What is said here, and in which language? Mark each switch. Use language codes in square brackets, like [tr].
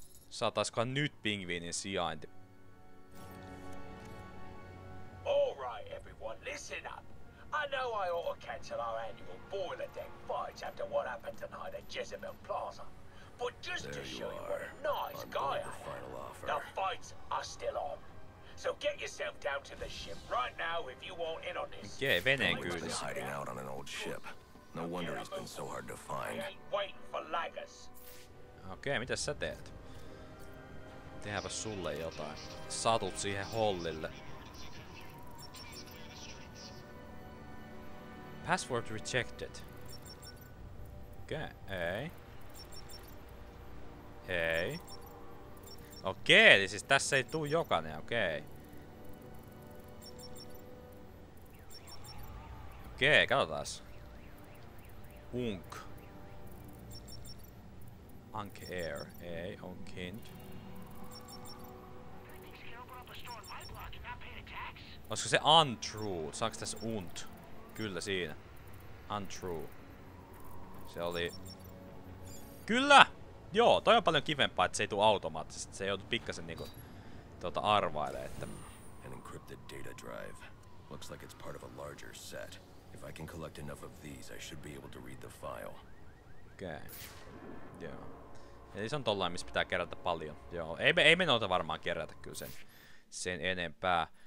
[fi] Saataiskohan nyt pingviinin sijainti? [en] Alright everyone, listen up. I know I ought to cancel our annual boiler deck fights after what happened tonight at Jezebel Plaza. But just there to show you what a nice I'm guy I am, the fights are still on. So get yourself down to the ship right now if you want in on this. [fi] Okay, veneen kyydissä. [en] He's hiding out on an old ship. No wonder he's been so hard to find. Wait for Lagos. [fi] Okay, mitä sä teet? Tehdäänpä sulle jotain. Satut siihen hollille. [en] Password rejected. [fi] Okei, ei. Ei. Okei, eli siis tässä ei tuu jokainen, okei. Okei, katsotaas. Unk. Unk air, ei, onkind. Olisiko se untrue? Saanko tässä unt? Kyllä siinä. Untrue. Se oli... Kyllä! Joo, toi on paljon kivempaa, että se ei tuu automaattisesti. Se ei joutu pikkasen niinku... tuota arvailee, että... [en] An encrypted data drive. Looks like it's part of a larger set. If I can collect enough of these, I should be able to read the file. [fi] Okei. Okay. Joo. Eli se on tollain, missä pitää kerätä paljon. Joo, ei me noita varmaan kerätä kyllä sen enempää.